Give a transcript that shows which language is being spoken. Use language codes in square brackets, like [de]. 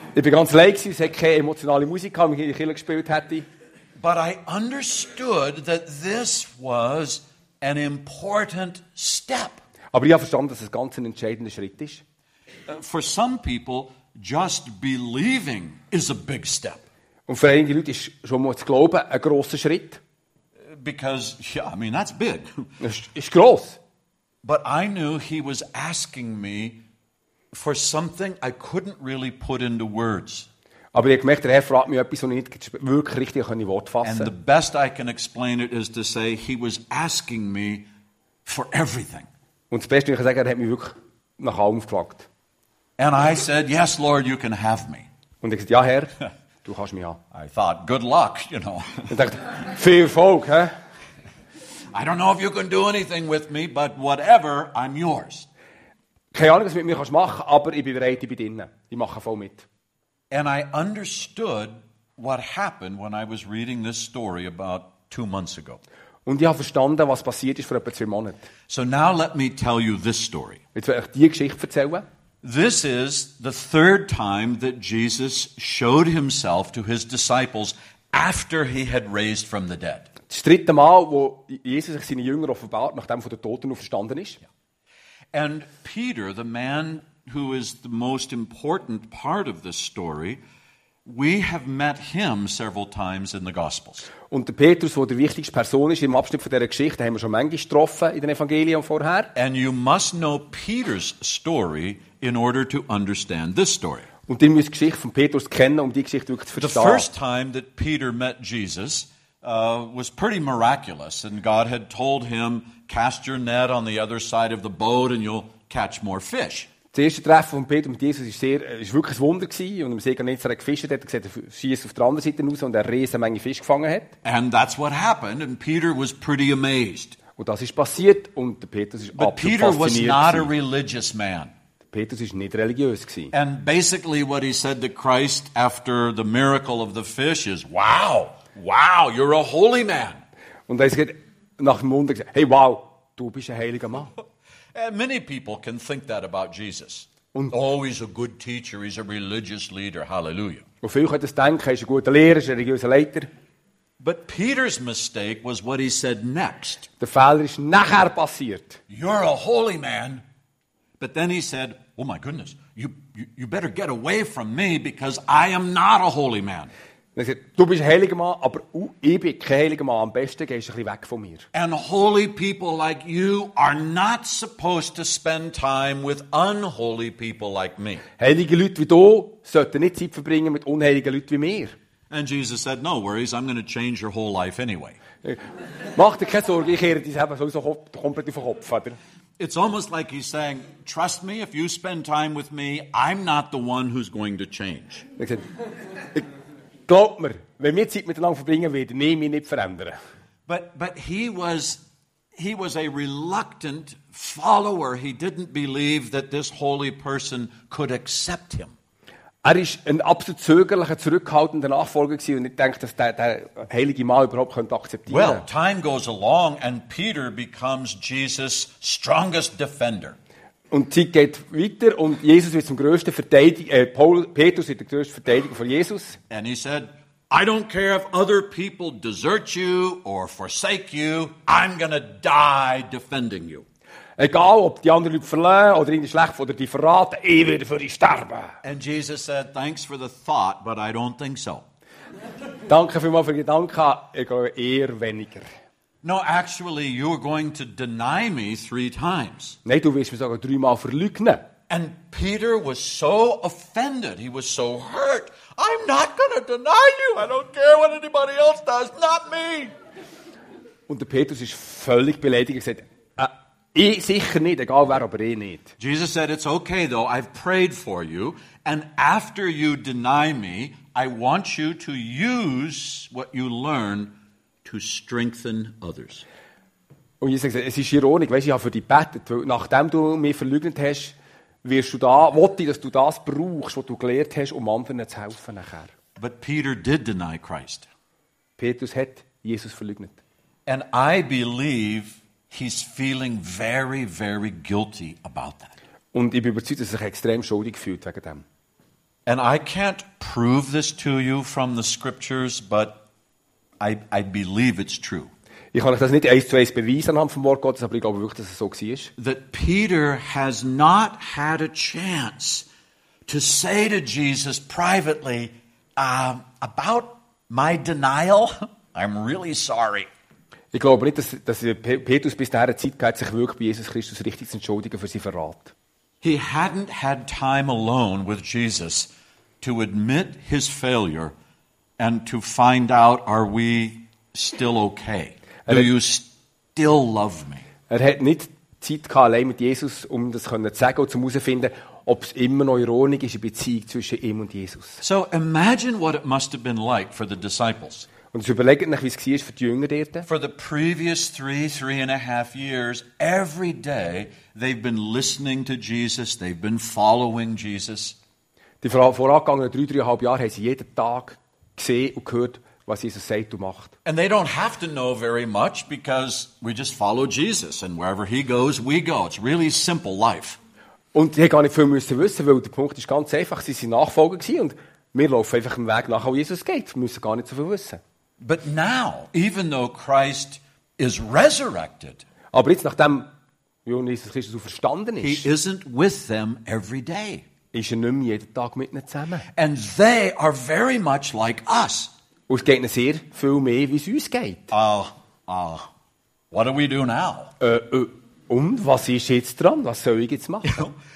[de] Ich war ganz alleine gewesen. Es hat keine emotionale Musik gehabt, wenn ich in der Kirche gespielt hätte. [en] But I understood that this was an important step. [de] Aber ich habe verstanden, dass es ganz ein entscheidender Schritt ist. [en] For some people, just believing is a big step. [de] Und für einige Leute ist schon mal das Glauben ein grosser Schritt. [en] Because, yeah, I mean, that's big. [de] Ist gross. [en] But I knew he was asking me for something I couldn't really put into words. [de] Aber ich merke, der Herr fragt mich etwas, was ich nicht wirklich richtig in Worte fassen kann. [en] And the best I can explain it is to say, he was asking me for everything. [de] Und das Beste, was ich sagen kann, er hat mich wirklich nach allem gefragt. [en] And I said, yes, Lord, you can have me. [de] Und ich sagte, ja, Herr, du kannst mich haben. [en] I thought, good luck, you know. [de] Ich dachte, viel Erfolg, hä? [en] I don't know if you can do anything with me, but whatever, I'm yours. [de] Keine Ahnung, was du mit mir machen kannst, aber ich bin bereit, ich bin drinnen. Ich mache voll mit. [en] And I understood what happened when I was reading this story about 2 months ago. [de] Und ich habe verstanden, was passiert ist vor etwa 2 Monaten. [en] So now let me tell you this story. [de] Jetzt will ich dir die Geschichte erzählen. [en] This is the third time that Jesus showed himself to his disciples after he had raised from the dead. [de] Das dritte Mal, wo Jesus sich seinen Jüngern offenbart, nachdem von den Toten auferstanden ist. [en] And Peter, the man who is the most important part of this story, we have met him several times in the Gospels. [de] Und der Petrus, der wichtigste Person ist im Abschnitt von dieser Geschichte, haben wir schon manchmal getroffen in den Evangelien vorher. [en] And you must know Peter's story in order to understand this story. [de] Und ihr müsst die Geschichte von Petrus kennen, um die Geschichte wirklich zu verstehen. [en] The first time that Peter met Jesus was pretty miraculous, and God had told him, cast your net on the other side of the boat and you'll catch more fish. [de] Das erste Treffen von Peter mit Jesus ist wirklich ein Wunder gewesen. Und im See Genezareth gefischt hat, er gesehen, schießt auf der anderen Seite raus und er riesen Menge Fisch gefangen hat. [en] And that's what happened, and Peter was pretty amazed. [de] Und das ist passiert und der Petrus ist absolut [en] Peter [de] fasziniert. [en] Was not a religious man. [de] Petrus ist nicht religiös gewesen. [en] And basically what he said to Christ after the miracle of the fish is, wow, wow, you're a holy man. [de] Und er hat nach dem Wunder gesagt, hey, wow, du bist ein heiliger Mann. [en] Many people can think that about Jesus. Und, oh, he's a good teacher, he's a religious leader, hallelujah. [de] Und viele können das denken, er ist ein guter Lehrer, ist ein religiöser Leiter. [en] But Peter's mistake was what he said next. [de] Der Fehler ist nachher passiert. [en] You're a holy man. But then he said, oh my goodness, you better get away from me because I am not a holy man. [de] Er sagt, du bist ein heiliger Mann, aber ich bin kein heiliger Mann. Am besten gehst du ein bisschen weg von mir. [en] And holy people like you are not supposed to spend time with unholy people like me. [de] Heilige Leute wie du sollten nicht Zeit verbringen mit unheiligen Leuten wie mir. [en] And Jesus said, no worries, I'm going to change your whole life anyway. [de] Mach dir keine Sorge, ich kehre dein Leben sowieso komplett auf den Kopf. [en] It's almost like he's saying, trust me, if you spend time with me, I'm not the one who's going to change. [de] Glaubt mir, wenn wir Zeit miteinander verbringen, werden wir mich nicht verändern. [en] But he was a reluctant follower. He didn't believe that this holy person could accept him. [de] Er ist ein absolut zögerlicher, zurückhaltender Nachfolger gewesen und ich denke, dass der heilige Mann überhaupt könnte akzeptieren. [en] Well, time goes along and Peter becomes Jesus' strongest defender. [de] Und die Zeit geht weiter und Jesus wird zum größten Verteidiger. Petrus wird der größte Verteidiger von Jesus. [en] And he said, I don't care if other people desert you or forsake you, I'm gonna die defending you. [de] Egal, ob die anderen Leute verlieren oder ihnen schlecht oder die verraten, ich werde für dich sterben. [en] And Jesus said, thanks for the thought, but I don't think so. [de] Danke vielmals für die Gedanken, ich glaube eher weniger. [en] No, actually, you're going to deny me 3 times. [de] Nein, du wirst mich sogar 3 Mal verleugnen. [en] And Peter was so offended. He was so hurt. I'm not going to deny you. I don't care what anybody else does. Not me. [de] Und der Petrus ist völlig beleidigt. Er sagt, ich sicher nicht, egal wer, aber ich nicht. [en] Jesus said, it's okay though. I've prayed for you. And after you deny me, I want you to use what you learn to strengthen others. [de] Und Jesus sagt, es ist ironisch, weißt, ich habe für dich gebetet, weil nachdem du mich verleugnet hast, wirst du da, wollte ich, dass du das brauchst, was du gelernt hast, um anderen zu helfen nachher. [en] But Peter did deny Christ. [de] Petrus hat Jesus verleugnet. [en] And I believe he's feeling very, very guilty about that. [de] Und ich bin überzeugt, dass er sich extrem schuldig fühlt wegen dem. [en] And I can't prove this to you from the scriptures, but I believe it's true. [de] Ich kann euch das nicht 1 zu 1 beweisen anhand vom Wort Gottes, aber ich glaube wirklich, dass es so war. [en] That Peter has not had a chance to say to Jesus privately about my denial. I'm really sorry. [de] Ich glaube nicht, dass Petrus bis dahin Zeit gehabt, sich wirklich bei Jesus Christus richtig zu entschuldigen für seinen Verrat. [en] He hadn't had time alone with Jesus to admit his failure and to find out, are we still okay? Do you still love me? [de] Er hat nicht Zeit gehabt, allein mit Jesus, das zu sagen und herauszufinden, ob es immer noch ironisch ist, eine Beziehung zwischen ihm und Jesus. [en] So imagine what it must have been like for the disciples. [de] Und jetzt überlegt euch, wie es war für die Jünger dort. [en] For the previous three and a half years, every day, they've been listening to Jesus, they've been following Jesus. [de] Die vorangegangenen 3,5 Jahre haben sie jeden Tag gesehen und gehört, was Jesus sagt und macht. [en] And they don't have to know very much because we just follow Jesus and wherever he goes, we go. It's really simple life. [de] Und sie haben gar nicht viel müssen wissen, weil der Punkt ist ganz einfach, sie sind Nachfolger gewesen und wir laufen einfach im Weg nach, wo Jesus geht. Wir müssen gar nicht so viel wissen. [en] But now, even though Christ is resurrected, [de] aber jetzt, nachdem Jesus Christus auferstanden ist, [en] he isn't with them every day. [de] Ist er nicht mehr jeden Tag mit ihnen zusammen. [en] And they are very much like us. [de] Und es geht ihnen sehr viel mehr, wie es uns geht. [en] What do we do now? [de] Und was ist jetzt dran? Was soll ich jetzt machen?